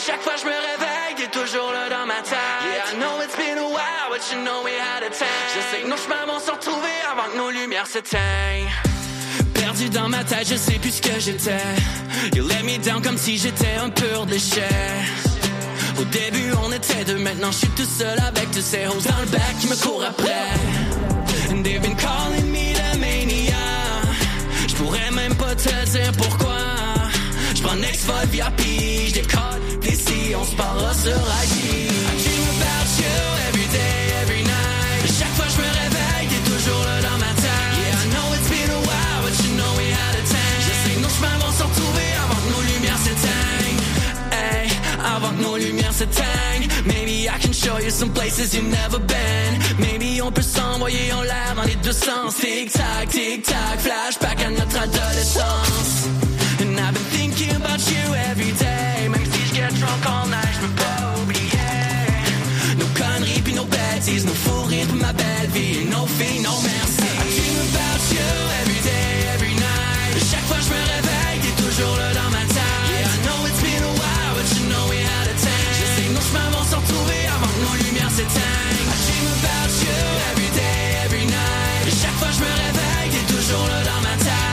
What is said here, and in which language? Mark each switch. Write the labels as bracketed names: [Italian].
[French] Chaque fois je me réveille, t'es toujours là dans ma tête. [English] Yeah, I know it's been a while, but you know we had a time. [French] Je sais que nos chemins vont se retrouver avant que nos lumières s'éteignent. Perdu dans ma tête, je sais plus ce que j'étais. [English] You let me down [French] comme si j'étais un pur déchet. Au début on était deux, maintenant je suis tout seul avec tous ces hoes dans le bac qui me courent après. [English] And they've been calling me the mania. [French] Je pourrais même pas te dire pourquoi. Je prends next fall VIP, je décolle d'ici, on se parlera sur IG. [English] I dream about you every day, every night. [French] Et chaque fois je me réveille, t'es toujours là dans ma tête. [English] Yeah, I know it's been a while, but you know we had a time. [French] Je sais que nos chemins vont se retrouver avant que nos lumières s'éteignent. Hey, avant que nos lumières s'éteignent. [English] Maybe I can show you some places you've never been. [French] Maybe on peut s'envoyer en l'air dans les deux sens. Tic-tac, tic-tac, flashback à notre adolescence. [English] And I've been thinking about you every day. [French] Même si je [English] get drunk all night, [French] je veux pas oublier. Nos conneries pis nos bêtises, nos fous rires pis ma belle vie. Et nos filles, non merci. [English] I dream about you every day, every night. [French] Et chaque fois je me réveille, t'es toujours là dans ma tête. [English] Yeah, I know it's been a while, but you know we had a time. [French] Je sais que nos chemins vont s'en trouver avant que nos lumières s'éteignent. [English] I dream about you every day, every night. [French] Et chaque fois je me réveille, t'es toujours là dans ma tête.